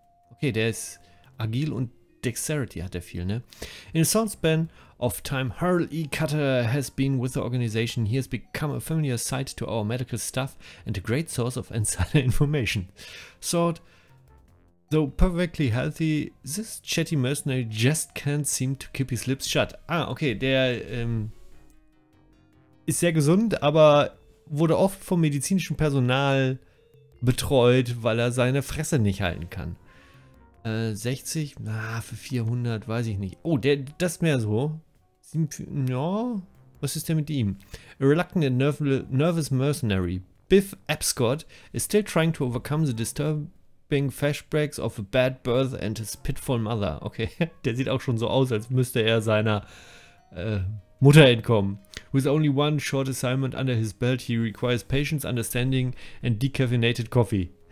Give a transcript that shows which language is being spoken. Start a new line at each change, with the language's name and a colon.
German: Okay, der ist agil und Dexterity hat er viel, ne?
English: In a short span of time, Hurl E. Cutter has been with the organization. He has become a familiar sight to our medical staff and a great source of insider information. Thought, though perfectly healthy, this chatty mercenary just can't seem to keep his lips shut.
German: Ah, okay, der, ist sehr gesund, aber wurde oft vom medizinischen Personal betreut, weil er seine Fresse nicht halten kann. 60, na, für 400, weiß ich nicht. Oh, das ist mehr so. Ja, was ist denn mit ihm?
English: A reluctant and nervous mercenary. Biff Abscott is still trying to overcome the disturbing flashbacks of a bad birth and his pitiful mother.
German: Okay, der sieht auch schon so aus, als müsste er seiner Mutter entkommen.
English: With only one short assignment under his belt, he requires patience, understanding and decaffeinated coffee.